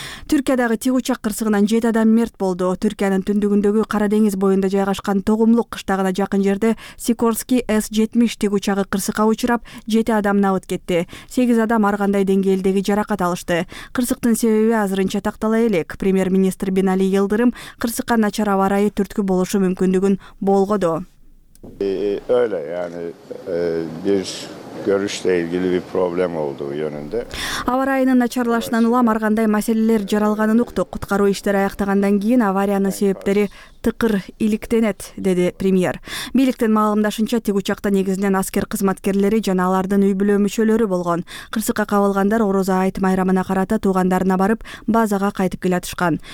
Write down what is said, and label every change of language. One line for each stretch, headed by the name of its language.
Kyrgyz: Түркиядагы тиг учак кырсыгынан 7 адам мерт болду. Түркиянын түндүгүндөгү Кара деңиз боюнда жайгашкан Тогумлук кыштагына жакын жерде Sikorsky S-70 тиг учагы кырсыкка учурап, 7 адам набыт кетти. 8 адам ар кандай деңгээлдеги жарак алышты. Кырсыктын себеби азырынча тактала элек. Премьер-министр Бинали Йылдырым кырсыкка начар аба ырайы түрткү болушу мүмкүндүгүн болгоду.
Turkish: Öyle yani bir görüşle ilgili bir problem olduğu yönünde.
Kyrgyz: Аварайынын начарлашынан улам ар кандай маселелер жаралганын уктук. Куткаруу иштери аяктагандан кийин авариянын себептери тыкыр иликтенет, деди премьер. Бийликтин маалымдашынча тиг учакта негизинен аскер кызматкерлери жана алардын үй бүлө мүчөлөрү болгон. Кырсыкка кабылгандар Орозо айт майрамына карата туугандарына барып базага кайтып келатышкан.